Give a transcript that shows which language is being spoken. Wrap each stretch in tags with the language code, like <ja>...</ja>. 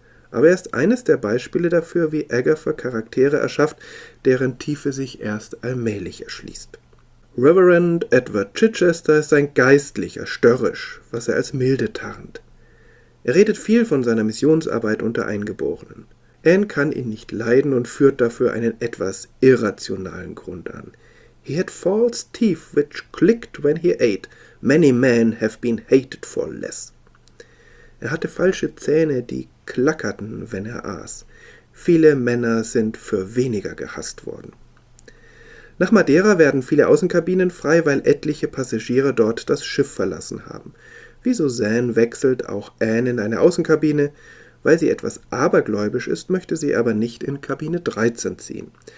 <de>aber er ist eines der Beispiele dafür, wie Agatha Charaktere erschafft, deren Tiefe sich erst allmählich erschließt. Reverend Edward Chichester ist ein Geistlicher, störrisch, was er als milde tarnt. Er redet viel von seiner Missionsarbeit unter Eingeborenen. Anne kann ihn nicht leiden und führt dafür einen etwas irrationalen Grund an.</de> <en>He had false teeth which clicked when he ate. Many men have been hated for less.</en> <de>Er hatte falsche Zähne, die klackerten, wenn er aß. Viele Männer sind für weniger gehasst worden. Nach Madeira werden viele Außenkabinen frei, weil etliche Passagiere dort das Schiff verlassen haben. Wie Suzanne wechselt auch Anne in eine Außenkabine. Weil sie etwas abergläubisch ist, möchte sie aber nicht in Kabine 13 ziehen.</de>